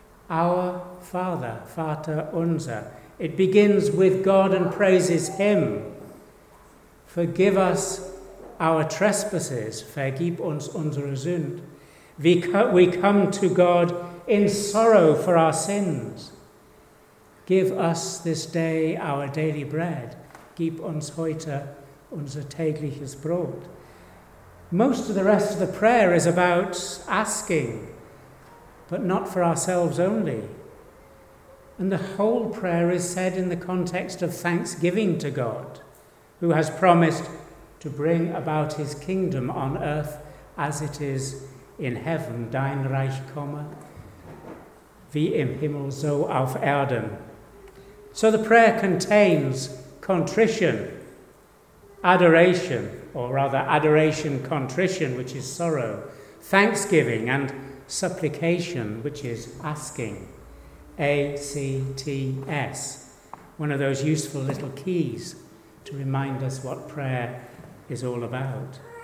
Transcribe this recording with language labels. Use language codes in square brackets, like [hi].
[en] Our Father, [de] Vater unser. [en] It begins with God and praises him. Forgive us our trespasses. [de] Vergib uns unsere Sünd. [en] We come to God in sorrow for our sins. Give us this day our daily bread. [de] Gib uns heute unser tägliches Brot. [en] Most of the rest of the prayer is about asking, but not for ourselves only. And the whole prayer is said in the context of thanksgiving to God, who has promised to bring about his kingdom on earth as it is in heaven. [de] Dein Reich komme, wie im Himmel so auf Erden. [en] So the prayer contains contrition, adoration, or rather adoration, contrition, which is sorrow, thanksgiving, and supplication, which is asking. A-C-T-S, one of those useful little keys to remind us what prayer is all about.